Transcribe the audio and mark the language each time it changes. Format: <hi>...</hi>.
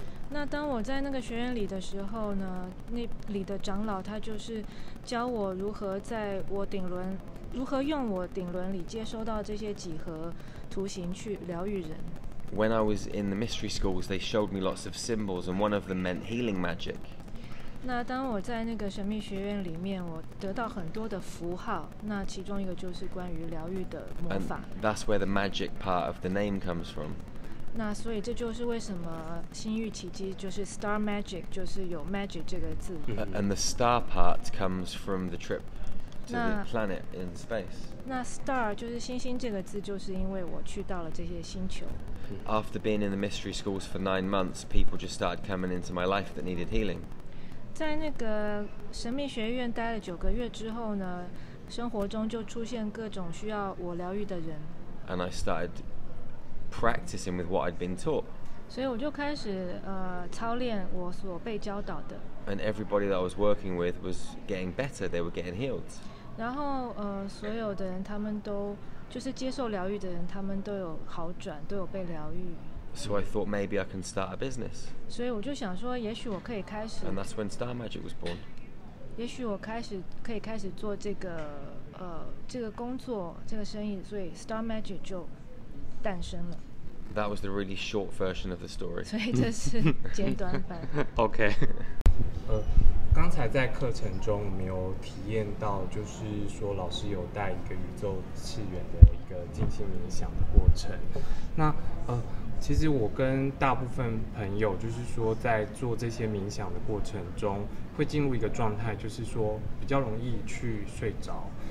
<zh>那当我在那个学院里的时候呢，那里的长老他就是教我如何在我顶轮，如何用我顶轮里接收到这些几何图形去疗愈人。</zh> <en>When I was in the mystery schools, they showed me lots of symbols, and one of them meant healing magic.</en> <zh>那当我在那个神秘学院里面，我得到很多的符号，那其中一个就是关于疗愈的魔法。</zh> <en>And that's where the magic part of the name comes from.</en> <zh>那所以这就是为什么星域奇迹就是 star magic 就是有 magic 这个字。</zh> <en>And the star part comes from the trip to the planet in space.</en> <zh>那 star 就是星星这个字，就是因为我去到了这些星球。</zh> <en>After being in the mystery schools for 9 months, people just started coming into my life that needed healing.</en> <zh>在那个神秘学院待了9个月之后呢，生活中就出现各种需要我疗愈的人。</zh> <en>And I started. Practicing with what I'd been taught.</en> <zh>所以我就开始操练我所被教导的。</zh> <en>And everybody that I was working with was getting better. They were getting healed.</en> <zh>然后所有的人他们都就是接受疗愈的人，他们都有好转，都有被疗愈。</zh> <en>So I thought maybe I can start a business.</en> <zh>所以我就想说，也许我可以开始。</zh> <en>And that's when Star Magic was born.</en> <zh>也许我开始可以开始做这个这个工作，这个生意，所以 Star Magic 就。诞生了。</zh> <en>That was the really short version of the story.</en> <zh>所以这是简短版。 OK。刚才在课程中，我们有体验到，就是说老师有带一个宇宙次元的一个进行冥想的过程。那其实我跟大部分朋友，就是说在做这些冥想的过程中，会进入一个状态，就是说比较容易去睡着。</zh>